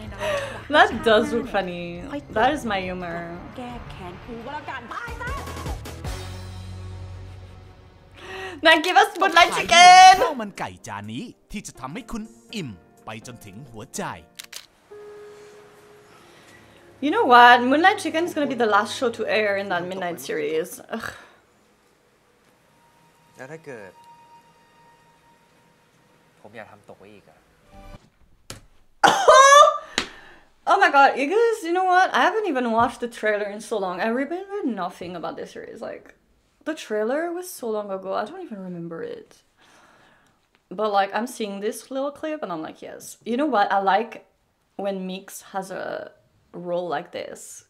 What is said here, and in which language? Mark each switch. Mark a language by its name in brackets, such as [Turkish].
[English] ลยนะ That does look funny. That is my humor. [Thai] แก้แค้นกูก็แล้วกันไปซะ [English] นาง give us spotlight again. [Thai] ข้าวมันไก่จานนี้ที่จะทำให้คุณอิ่มไปจนถึงหัวใจ [English] You know what? Moonlight Chicken is gonna be the last show to air in that Midnight series. [Thai] แล้วถ้าเกิดผมอยากทำตกอีกอะ [English] Oh my god, you guys, you know what? I haven't even watched the trailer in so long. I remember nothing about this series. Like, the trailer was so long ago, I don't even remember it. But like, I'm seeing this little clip and I'm like, yes. You know what? I like when Mix has a role like this.